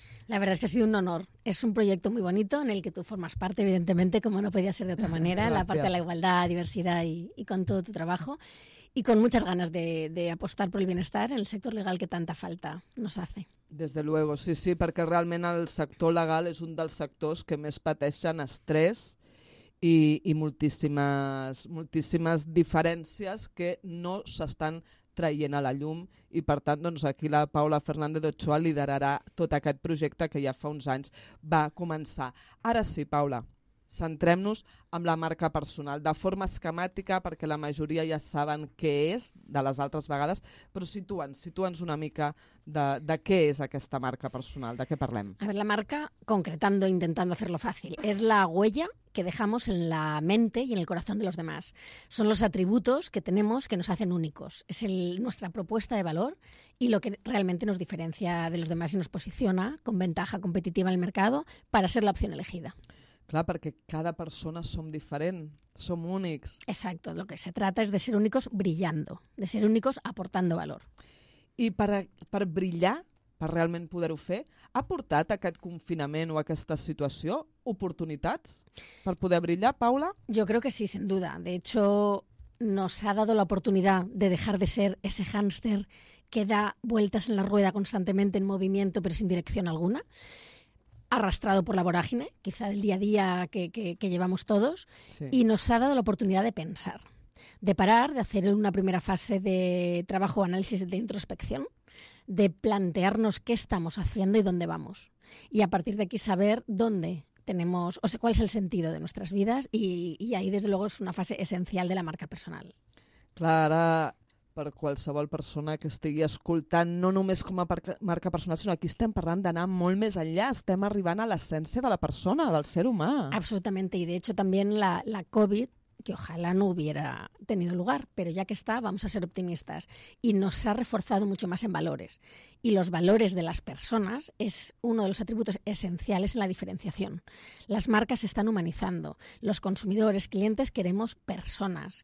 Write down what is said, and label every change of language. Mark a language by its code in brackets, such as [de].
[es] La verdad es que ha sido un honor. Es un proyecto muy bonito en el que tú formas parte, evidentemente, como no podía ser de otra manera, la parte de la igualdad, diversidad y con todo tu trabajo. Y con muchas ganas de apostar por el bienestar en el sector legal que tanta falta nos hace. Desde luego, sí, sí, porque realmente el sector legal es un [ca] dels sectors que més pateixen estrès i moltíssimes diferències que no s'estan traient a la llum. I per tant, doncs, aquí la Paula Fernández de Ochoa liderarà tot aquest projecte que ja fa uns anys va començar. Ara sí, Paula. Centrem-nos en la marca personal, de forma esquemàtica, perquè la majoria ja saben què és de les altres vegades, però situa'ns una mica de què és aquesta marca personal, de què parlem. [es] A ver, la marca, concretando, intentando hacerlo fácil, es la huella que dejamos en la mente y en el corazón de los demás. Son los atributos que tenemos que nos hacen únicos. Es nuestra propuesta de valor y lo que realmente nos diferencia de los demás y nos posiciona con ventaja competitiva en el mercado para ser la opción elegida. [ca] Clar, perquè cada persona som diferent, som únics. [es] Exacto, lo que se trata es de ser únicos brillando, de ser únicos aportando valor. [ca] I per brillar, per realment poder-ho fer, ha portat aquest confinament o aquesta situació oportunitats per poder brillar, Paula? [es] Yo creo que sí, sin duda. De hecho, nos ha dado la oportunidad de dejar de ser ese hámster que da vueltas en la rueda constantemente en movimiento pero sin dirección alguna. Arrastrado por la vorágine, quizá del día a día que llevamos todos, sí. Y nos ha dado la oportunidad de pensar, de parar, de hacer una primera fase de trabajo, análisis, de introspección, de plantearnos qué estamos haciendo y dónde vamos. Y a partir de aquí saber dónde tenemos, o sea, cuál es el sentido de nuestras vidas y ahí, desde luego, es una fase esencial de la marca personal. [ca] Clara. Per qualsevol persona que estigui escoltant, no només com a marca personal, sinó aquí estem parlant d'anar molt més enllà, estem arribant a l'essència de la persona, del ser humà. [es] Absolutamente, y de hecho también la COVID, que ojalá no hubiera tenido lugar, pero ya que está, vamos a ser optimistas, y nos ha reforzado mucho más en valores. Y los valores de las personas es uno de los atributos esenciales en la diferenciación. Las marcas se están humanizando. Los consumidores, clientes, queremos personas.